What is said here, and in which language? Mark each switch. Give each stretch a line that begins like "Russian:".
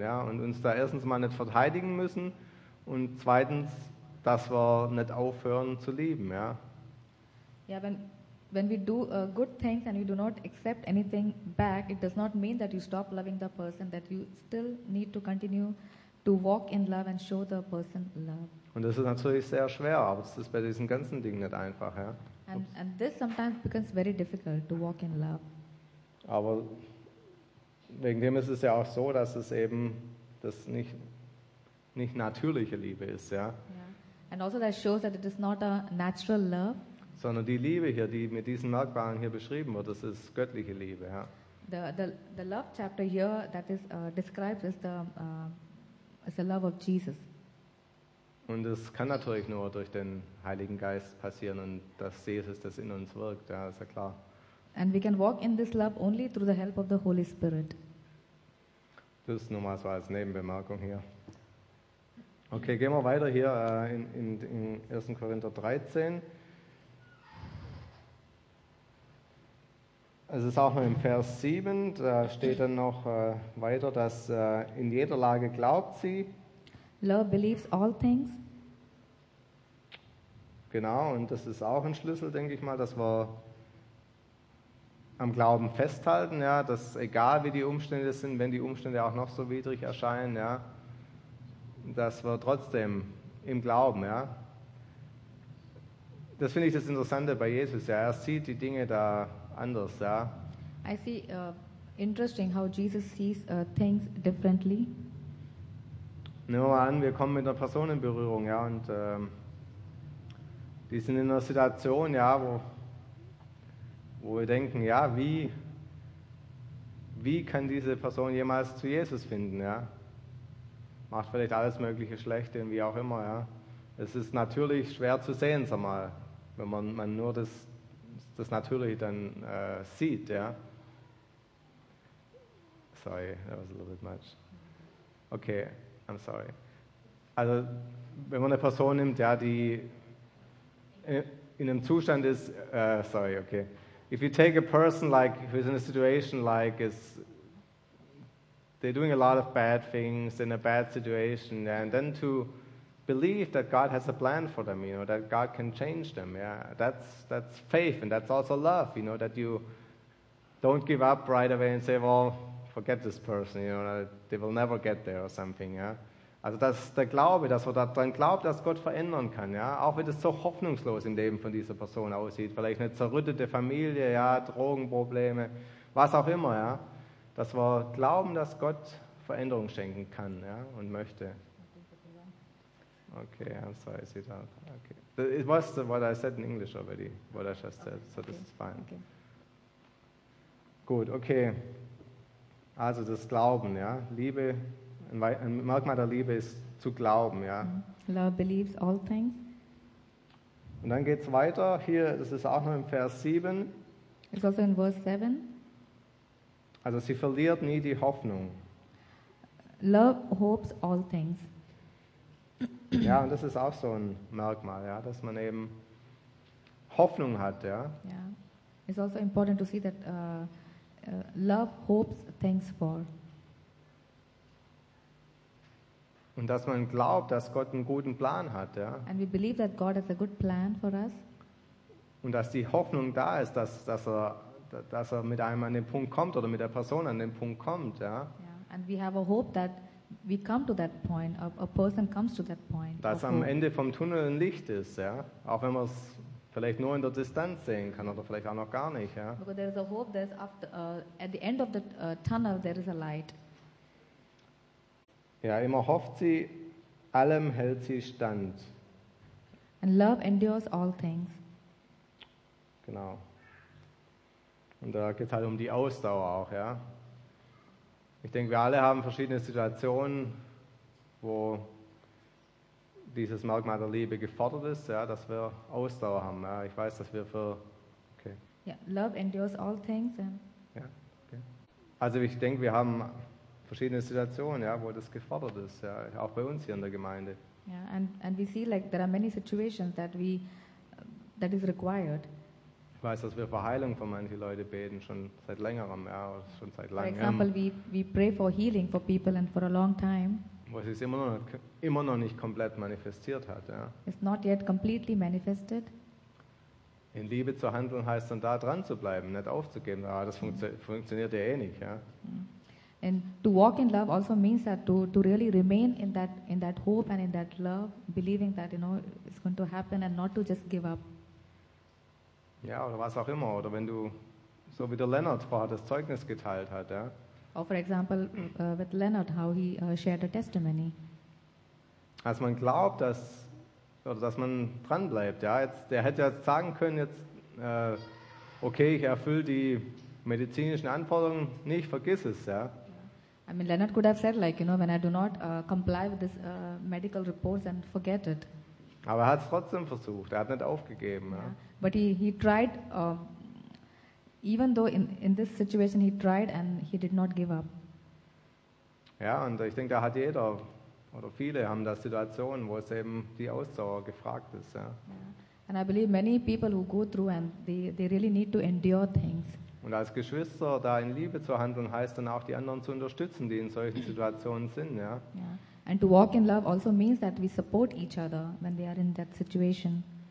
German: Ja, und uns da erstens mal nicht verteidigen müssen und zweitens, dass wir nicht aufhören zu lieben. Ja.
English: Yeah, when we do good things and you do not accept anything back, it does not mean that you stop loving the person, that you still need to continue to walk in love and show the person love.
German: Und das ist natürlich sehr schwer, aber es ist bei diesen ganzen Dingen nicht einfach, ja.
English: And this sometimes becomes very difficult to walk in love.
German: Aber wegen dem ist es ja auch so, dass es eben das nicht natürliche Liebe ist, ja. Yeah.
English: And also that shows that it is not a natural love.
German: Sondern die Liebe hier, die mit diesen Merkmalen hier beschrieben wird, das ist göttliche Liebe, ja.
English: The love chapter here that is described is the love of Jesus.
German: Und es kann natürlich nur durch den Heiligen Geist passieren und dass Jesus das in uns wirkt, ja, ist ja klar.
English: And we can walk in this love only through the help of the Holy Spirit.
German: Das ist nur mal so als Nebenbemerkung hier. Okay, gehen wir weiter hier in 1. Korinther 13. Es ist auch noch im Vers 7, da steht dann noch weiter, dass in jeder Lage glaubt sie.
English: Love believes all things.
German: Genau, und das ist auch ein Schlüssel, denke ich mal, dass wir am Glauben festhalten, ja, dass egal wie die Umstände sind, wenn die Umstände auch noch so widrig erscheinen, ja, dass wir trotzdem im Glauben, ja. Das finde ich das Interessante bei Jesus, ja, er sieht die Dinge da anders, ja.
English: I see interesting how Jesus sees things differently.
German: Nehmen wir mal an, wir kommen mit einer Person in Berührung, ja, und die sind in einer Situation, ja, wo wir denken, ja, wie kann diese Person jemals zu Jesus finden, ja? Macht vielleicht alles Mögliche schlecht, wie auch immer, ja. Es ist natürlich schwer zu sehen, sag mal, wenn man nur das natürlich dann sieht, ja.
English: Sorry, that was a little bit much. Okay, I'm sorry.
German: Also, wenn man eine Person nimmt, ja, die in einem Zustand ist, sorry, okay.
English: If you take a person like, who is in a situation like, is they're doing a lot of bad things in a bad situation, yeah, and then to believe that God has a plan for them, you know, that God can change them, yeah, that's faith, and that's also love, you know, that you don't give up right away and say, well, forget this person, you know, they will never get there or something, yeah.
German: Also das ist der Glaube, dass man daran glaubt, dass Gott verändern kann, ja, auch wenn es so hoffnungslos im Leben von dieser Person aussieht, vielleicht eine zerrüttete Familie, ja, Drogenprobleme, was auch immer, ja, dass wir glauben, dass Gott Veränderung schenken kann, ja, und möchte.
English: Okay, I'm sorry, Siddharth. Okay. It was what I said in English already, what I just said, so this is fine.
German: Okay. Gut, okay. Also das Glauben, ja. Liebe, ein Merkmal der Liebe ist zu glauben, ja.
English: Love believes all things.
German: Und dann geht's weiter. Hier, das ist auch noch im Vers 7.
English: It's also in verse 7.
German: Also sie verliert nie die Hoffnung.
English: Love hopes all things.
German: Ja, und das ist auch so ein Merkmal, ja, dass man eben Hoffnung hat, ja. Yeah.
English: It's also important to see that love hopes things for.
German: Und dass man glaubt, dass Gott einen guten Plan hat, ja.
English: And we believe that God has a good plan for us.
German: Und dass die Hoffnung da ist, dass er mit einem an den Punkt kommt oder mit der Person an den Punkt kommt, ja. Yeah.
English: And we have a hope that we come to that point, a person comes to that point.
German: Dass am Ende vom Tunnel ein Licht ist, ja. Auch wenn man es vielleicht nur in der Distanz sehen kann oder vielleicht auch noch gar nicht, ja.
English: Because there is a hope that after, at the end of the tunnel there is a light.
German: Ja, immer hofft sie, allem hält sie stand.
English: And love endures all things.
German: Genau. Und da geht es halt um die Ausdauer auch, ja. Ich denke, wir alle haben verschiedene Situationen, wo dieses Merkmal der Liebe gefordert ist, ja, dass wir Ausdauer haben. Ja. Ich weiß, dass wir für... Okay.
English: Yeah, love endures all things. And ja, okay.
German: Also ich denke, wir haben verschiedene Situationen, ja, wo das gefordert ist, ja, auch bei uns hier in der Gemeinde.
English: Yeah, and we see like there are many situations that we that is required.
German: Ich weiß, dass wir für Heilung von manchen Leuten beten schon seit längerem, ja, schon seit langem.
English: For example, we pray for healing for people and for a long time.
German: Wo es sich immer noch nicht komplett manifestiert hat, ja.
English: It's not yet completely manifested.
German: In Liebe zu handeln heißt dann da dran zu bleiben, nicht aufzugeben. Ja, das funktioniert ja eh nicht, ja.
English: And to walk in love also means that to really remain in that hope and in that love, believing that, you know, it's going to happen and not to just give up.
German: Ja, oder was auch immer. Oder wenn du, so wie der Leonard vorher das Zeugnis geteilt hat, ja.
English: Or for example, with Leonard, how he shared a testimony.
German: Als man glaubt, dass, oder dass man dranbleibt, ja. Jetzt, der hätte jetzt sagen können, jetzt, okay, ich erfülle die medizinischen Anforderungen nicht, vergiss es, ja.
English: I mean, Leonard could have said, like, you know, when I do not comply with this medical reports and forget it.
German: Aber er hat es trotzdem versucht. Er hat nicht aufgegeben. Ja.
English: But he tried, even though in this situation he tried and he did not give up.
German: Ja, und ich denke, da hat jeder oder viele haben da Situationen, wo es eben die Ausdauer gefragt ist. Ja. Yeah.
English: And I believe many people who go through and they really need to endure things.
German: Und als Geschwister da in Liebe zu handeln heißt dann auch die anderen zu unterstützen, die in solchen Situationen sind. Ja. Yeah.
English: And to walk in love also means that we support each other when they are in that situation.